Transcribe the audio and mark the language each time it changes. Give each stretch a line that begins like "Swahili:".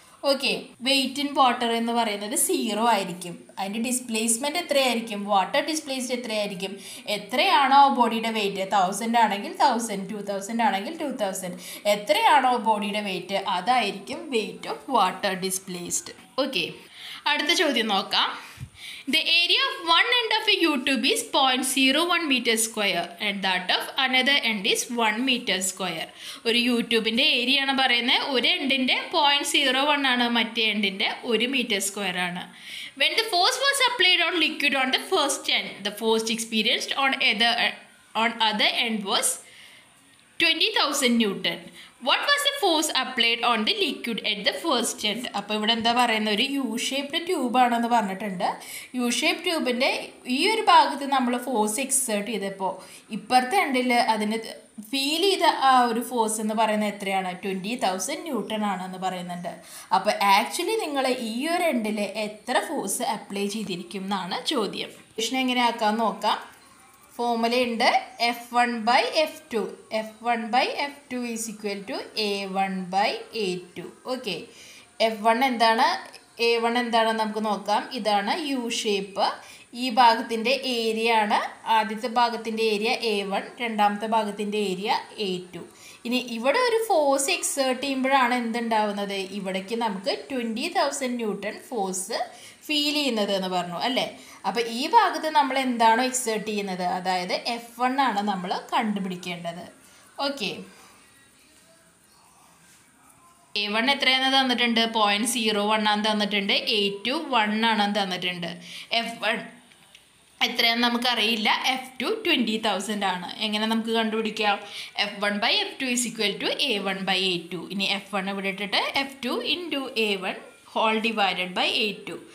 Malayalam: Okay, wait in water എന്ന് പറയുന്നത് 0 ആയിരിക്കും. അതിൻ്റെ ഡിസ്പ്ലേസ്മെൻറ്റ് എത്രയായിരിക്കും? വാട്ടർ ഡിസ്പ്ലേസ്ഡ് എത്രയായിരിക്കും? എത്രയാണോ ബോഡിയുടെ വെയിറ്റ്, 1000 ആണെങ്കിൽ 1000, 2000 ആണെങ്കിൽ 2000, എത്രയാണോ ബോഡിയുടെ വെയിറ്റ് അതായിരിക്കും weight of water displaced. Okay, അടുത്ത ചോദ്യം നോക്കാം.
English: The area of one end of a U-tube is 0.01 meter square and that of another end is 1 meter square.
Malayalam: ഒരു യൂട്യൂബിൻ്റെ ഏരിയ ആണ് പറയുന്നത്. ഒരു എൻഡിൻ്റെ 0.01 ആണ്, മറ്റേ എൻഡിൻ്റെ 1 meter square ആണ്.
English: When the force was applied on liquid on the first end, the force experienced on other end was 20,000 newton. What was the force applied on the liquid at the first end?
Malayalam: അപ്പോൾ ഇവിടെ എന്താ പറയുന്നത്? ഒരു U shaped ട്യൂബാണെന്ന് പറഞ്ഞിട്ടുണ്ട്. U shape ട്യൂബിൻ്റെ ഈ ഒരു ഭാഗത്ത് നമ്മൾ ഫോഴ്സ് എക്സേർട്ട് ചെയ്തപ്പോൾ ഇപ്പുറത്തെ എൻഡിൽ അതിന് ഫീൽ ചെയ്ത ആ ഒരു ഫോഴ്സ് എന്ന് പറയുന്നത് എത്രയാണ്? 20,000 ന്യൂട്ടൺ ആണെന്ന് പറയുന്നുണ്ട്. അപ്പോൾ ആക്ച്വലി നിങ്ങൾ ഈ ഒരു എൻഡിൽ എത്ര ഫോഴ്സ് അപ്ലൈ ചെയ്തിരിക്കും എന്നാണ് ചോദ്യം. ക്വസ്റ്റ്യൻ എങ്ങനെയാക്കാൻ നോക്കാം.
English: Formula ഉണ്ട്, F1 by F2. F1 by F2 is equal to A1 by A2.
Malayalam: Okay, A1 എന്താണ് നമുക്ക് നോക്കാം. ഇതാണ് യു ഷേപ്പ്. ഈ ഭാഗത്തിൻ്റെ ഏരിയ ആണ് ആദ്യത്തെ ഭാഗത്തിൻ്റെ ഏരിയ A1, രണ്ടാമത്തെ ഭാഗത്തിൻ്റെ ഏരിയ A2. ഇനി ഇവിടെ ഒരു ഫോഴ്സ് എക്സേർട്ട് ചെയ്യുമ്പോഴാണ് എന്തുണ്ടാവുന്നത്, ഇവിടേക്ക് നമുക്ക് 20,000 ന്യൂട്ടൺ ഫോഴ്സ് ഫീൽ ചെയ്യുന്നത് എന്ന് പറഞ്ഞു അല്ലേ. അപ്പം ഈ ഭാഗത്ത് നമ്മൾ എന്താണോ എക്സേർട്ട് ചെയ്യുന്നത്, അതായത് F1 ആണ് നമ്മൾ കണ്ടുപിടിക്കേണ്ടത്. ഓക്കെ, A1 എത്രയാണ് തന്നിട്ടുണ്ട്, 0.01 ആണ് തന്നിട്ടുണ്ട്. A2 1 ആണെന്ന് തന്നിട്ടുണ്ട്. F1 എത്രയാന്ന് നമുക്കറിയില്ല. F2 20,000 ആണ്. എങ്ങനെ നമുക്ക് കണ്ടുപിടിക്കാം, F1/F2=A1/A2. ഇനി F1 ഇവിടെ ഇട്ടിട്ട് F2 × A1 ÷ A2.